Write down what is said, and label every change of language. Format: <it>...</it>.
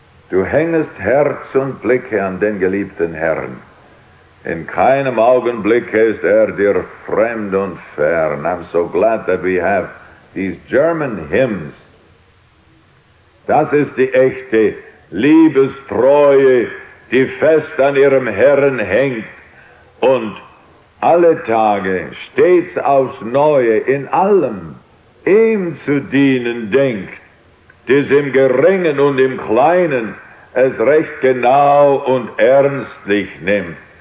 <de>Du hängest Herz und Blicke an den geliebten Herrn. In keinem Augenblick ist dir fremd und fern.</de> <en>I'm so glad that we have these German hymns.</en> <de>Das ist die echte Liebestreue, die fest an ihrem Herrn hängt und alle Tage, stets aufs Neue, in allem, ihm zu dienen denkt, des im Geringen und im Kleinen es recht genau und ernstlich nimmt.</de>